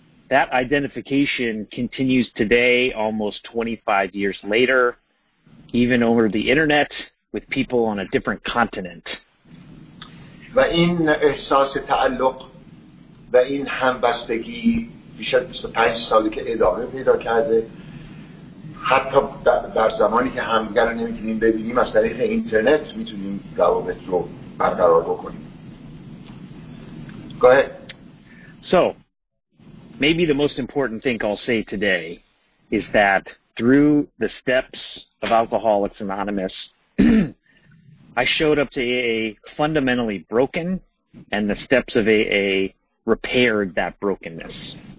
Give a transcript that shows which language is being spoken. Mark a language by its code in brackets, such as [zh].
[en] That identification continues today, almost 25 years later, even over the internet, with people on a different continent. [fa] و این احساس تعلق و این همبستگی بیش از 25 سالی که ادامه پیدا کرده حتی در زمانی که همدیگر رو نمیتونیم ببینیم از طریق اینترنت میتونیم روابط رو برقرار بکنیم. [en] Go ahead. So, maybe the most important thing I'll say today is that through the steps of Alcoholics Anonymous, I showed up to AA fundamentally broken, and the steps of AA repaired that brokenness.